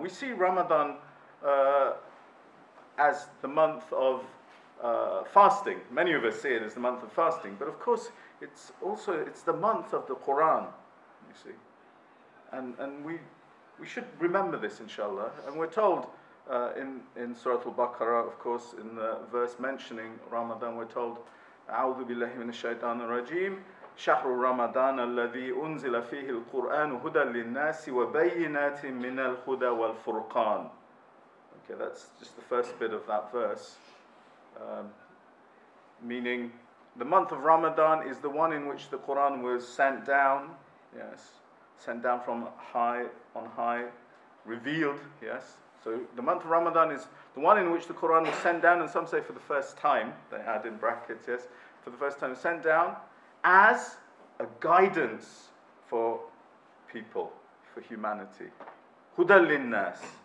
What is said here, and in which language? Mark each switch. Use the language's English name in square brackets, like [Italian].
[English] We see Ramadan as the month of fasting. Many of us see it as the month of fasting, but of course it's the month of the Quran, you see, and we should remember this, inshallah. And we're told in Surah Al-Baqarah, of course, in the verse mentioning Ramadan, we're told [Arabic] أعوذ بالله من الشيطان الرجيم شهر رمضان الذي أنزل فيه القرآن هدى للناس وبينات من الهدى والفرقان. [English] Okay, that's just the first bit of that verse. Meaning, the month of Ramadan is the one in which the Quran was sent down, yes, sent down from high on high, revealed, yes. So the month of Ramadan is the one in which the Quran was sent down, and some say for the first time, they add in brackets, yes, for the first time sent down as a guidance for people, for humanity. [Arabic] Huda linnas.